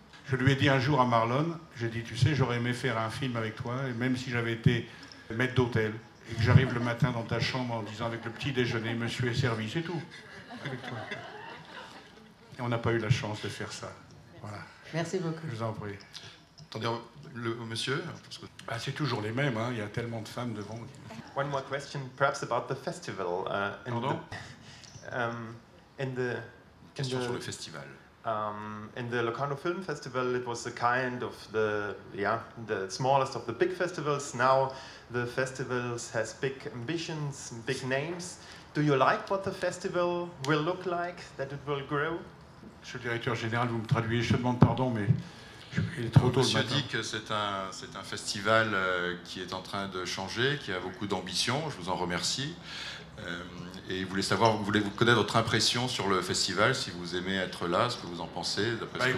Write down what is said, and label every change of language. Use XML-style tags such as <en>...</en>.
<fr>Je lui ai dit un jour à Marlon, j'ai dit, tu sais, j'aurais aimé faire un film avec toi, et même si j'avais été maître d'hôtel, et que j'arrive le matin dans ta chambre en disant, avec le petit déjeuner, monsieur est servi, c'est tout, avec toi. Et on n'a pas eu la chance de faire ça. Voilà. Merci beaucoup. Je vous en prie. Attendez, le monsieur, parce que... Ah, c'est toujours les mêmes, hein. Il y a tellement de femmes devant.</fr> <en>One more question, perhaps about the festival.</en> <fr>Pardon</fr> <en>In the</en> <fr>question sur le festival.</fr> <en>In the Locarno Film Festival, it was a kind of the smallest of the big festivals. Now the festivals has big ambitions, big names. Do you like what the festival will look like? That it will grow?</en> <fr>Monsieur le directeur général, vous me traduisez. Je demande pardon, mais il est trop tôt. Monsieur dit que c'est un festival qui est en train de changer, qui a beaucoup d'ambition. Je vous en remercie. Et vous voulez connaître votre impression sur le festival, si vous aimez être là, ce que vous en pensez, d'après ce que</fr>